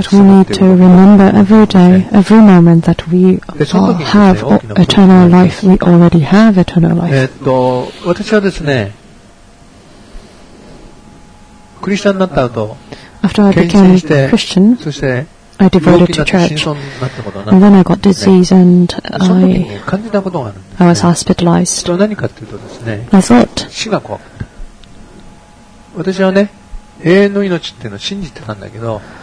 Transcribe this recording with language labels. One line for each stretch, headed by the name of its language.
English: But we need to remember every day, every moment that we have eternal life. We already have eternal life.
Japanese: 私はですね、クリスチャンになった後、
English: After I became a Christian,
Japanese: そして、
English: I devoted to church. And then I got disease and I was hospitalized.
Japanese: それは何かというとですね、
English: I thought,
Japanese: 死が怖かった。私はね、永遠の命っていうのを信じてたんだけど、